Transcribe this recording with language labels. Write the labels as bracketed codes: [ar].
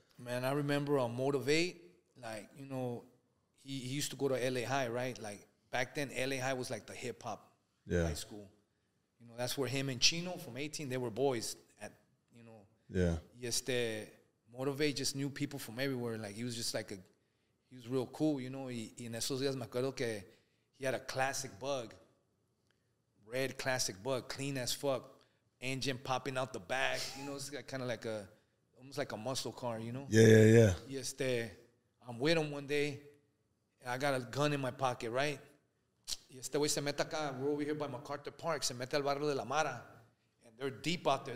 [en] Man, I remember on Motivate, like, you know, he used to go to LA High, right? Like, back then, LA High was like the hip-hop high school. You know, that's where him and Chino from 18, they were boys at, you know. Yeah. Este, Motivate just knew people from everywhere. Like, he was just like he was real cool, you know. [es] Y en esos días me acuerdo que [en] he had a classic bug. Red classic bug, clean as fuck, engine popping out the back. You know, it's kind of like almost like a muscle car, you know? Yeah. Yes, there. I'm with him one day, and I got a gun in my pocket, right? Yes, the way [es] se mete acá, [en] we're over here by MacArthur Park, [es] se mete al barrio de la Mara, [en] and they're deep out there.